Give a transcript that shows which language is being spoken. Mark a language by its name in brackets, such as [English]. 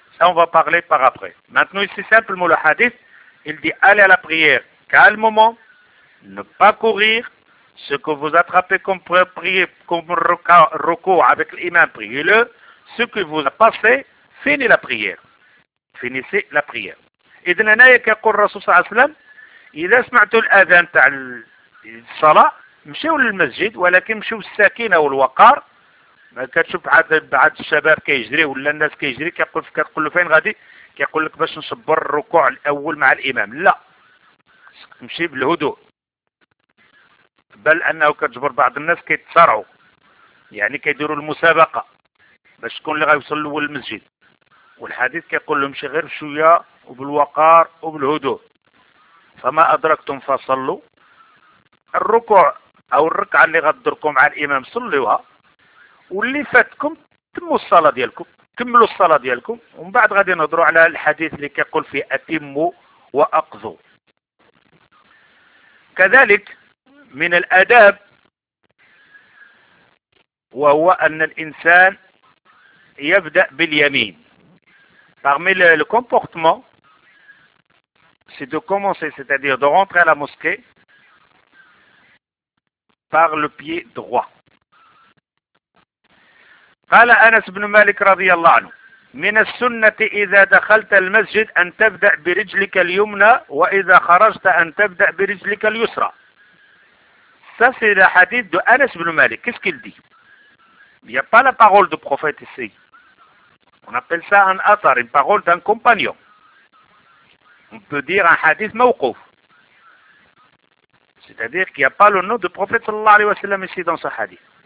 [French] Ça, on va parler par après. Maintenant, ici, simplement le hadith, il dit, allez à la prière calmement, ne pas courir, ce que vous attrapez comme recours avec l'imam, priez-le, ce que vous a passé, finissez la prière. Finissez la prière. Et de l'anaya qu'a dit le Rasoul sallallahu alayhi wa sallam, il a smaitu l'adhan ta'al salat, [Arabic] مشيو للمسجد ولكن مشيو الساكنه والوقار. ما كتشوف بعض الشباب كيجري ولا الناس كيجري كيقول كتقول له فين غادي, كيقول لك باش نصبر الركوع الاول مع الامام. لا, تمشي بالهدوء, بل انه كتجبر بعض الناس كيتسارعوا, يعني كيديروا المسابقه باش تكون اللي غيوصل الاول للمسجد. والحديث كيقول له مشي غير شويه وبالوقار وبالهدوء. فما ادركتم فصلوا. الركوع او الركعه اللي غدركم مع الامام صليوها, واللي فاتكم تموا الصلاه ديالكم, كملوا الصلاه ديالكم, ومن بعد غادي نهضروا على الحديث اللي كيقول فيه اتموا واقضوا. كذلك من الاداب, وهو ان الانسان يبدا باليمين. [French] parmi le comportement c'est de commencer, c'est-à-dire de rentrer à la mosquée par le pied droit. [Arabic] قال أنس بن مالك رضي الله عنه, من السنة إذا دخلت المسجد أن تبدأ برجلك اليمنى وإذا خرجت أن تبدأ برجلك اليسرى. [French] Ça c'est le hadith de Anas ibn Malik. Qu'est-ce qu'il dit? Il n'y a pas la parole du prophète ici. On appelle ça un athar, une parole d'un compagnon. On peut dire un hadith mawquf. C'est-à-dire qu'il n'y a pas le nom du prophète sallallahu alayhi wa sallam ici dans ce hadith.